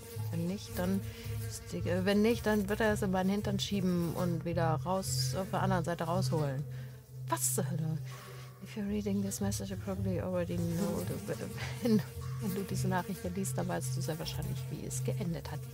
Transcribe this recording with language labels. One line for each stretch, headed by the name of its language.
German: Wenn nicht, dann wird er es in meinen Hintern schieben und wieder raus auf der anderen Seite rausholen. Was zur Hölle?
English: If you're reading this message, you probably already know the bin.
German: Wenn du diese Nachricht liest, dann weißt du sehr wahrscheinlich, wie es geendet hat.